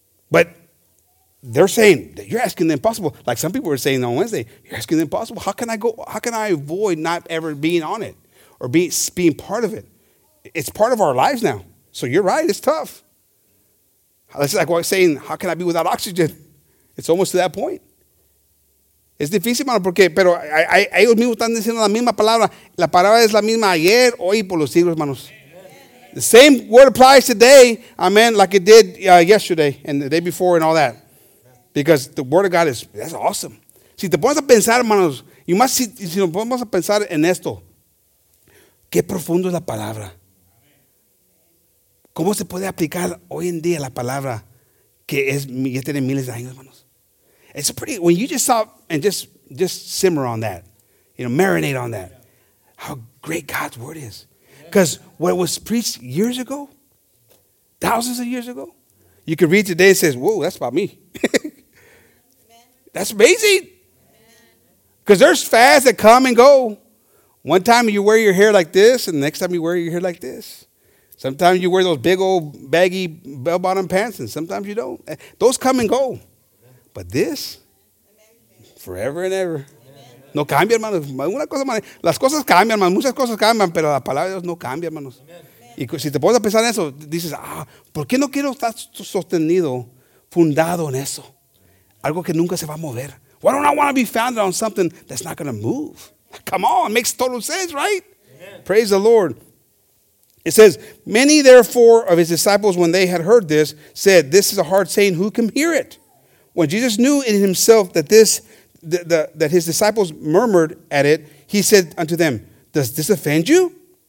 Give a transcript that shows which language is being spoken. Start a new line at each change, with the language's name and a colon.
English: But they're saying that you're asking the impossible. Like some people were saying on Wednesday, you're asking the impossible. How can I avoid not ever being on it or being part of it? It's part of our lives now. So you're right, it's tough. It's like saying, how can I be without oxygen? It's almost to that point.
Spanish: Es difícil, hermano, porque, pero ellos mismos están diciendo la misma palabra. La palabra es la misma ayer, hoy y por los siglos, hermanos.
English: The same word applies today, amen, like it did yesterday and the day before and all that. Because the word of God is, that's awesome.
Spanish: Si te pones a pensar, hermanos, si nos ponemos a pensar en esto, qué profundo es la palabra. ¿Cómo se puede aplicar hoy en día la palabra que es ya tiene miles de años, hermanos?
English: It's pretty, when you just stop and just simmer on that, you know, marinate on that, how great God's word is. Because what was preached years ago, thousands of years ago, you can read today and says, whoa, that's about me. That's amazing. Because there's fads that come and go. One time you wear your hair like this, and the next time you wear your hair like this. Sometimes you wear those big old baggy bell-bottom pants, and sometimes you don't. Those come and go. But this, forever and ever. Amen.
Spanish: No cambia, hermanos. Una cosa, hermano. Las cosas cambian, hermanos. Muchas cosas cambian, pero la palabra de Dios no cambia, hermanos. Amen. Y si te pones a pensar en eso, dices, ¿por qué no quiero estar sostenido, fundado en eso? Algo que nunca se va a mover.
English: Why don't I want to be founded on something that's not going to move? Come on, makes total sense, right? Amen. Praise the Lord. It says, many, therefore, of his disciples, when they had heard this, said, "This is a hard saying. Who can hear it?" When Jesus knew in himself that that his disciples murmured at it, he said unto them, "Does this offend you?